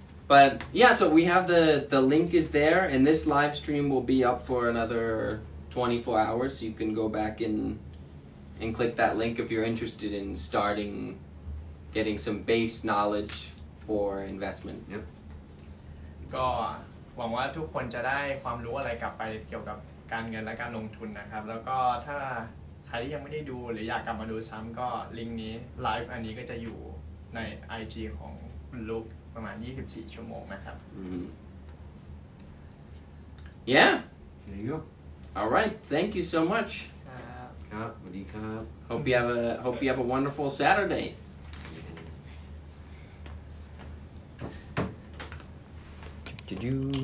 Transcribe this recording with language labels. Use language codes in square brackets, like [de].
[en] But yeah, so we have the link is there and this live stream will be up for another 24 hours. So you can go back and click that link if you're interested in starting getting some base knowledge for investment. Yep. [th] ก็หวังว่าทุกคนจะได้ความรู้อะไรกลับไปเกี่ยวกับการเงินและการลงทุนนะครับแล้วก็ถ้าใครที่ยังไม่ได้ดูหรืออยากกลับมาดูซ้ำก็ลิงก์นี้ไลฟ์อันนี้ก็จะอยู่ใน IG ของคุณลุกประมาณ24ชั่วโมงนะครับ [en] Yeah There you go Alright, thank you so much [th] ครับสวัสดีครับ [en] Hope you have a wonderful Saturday Do-do-do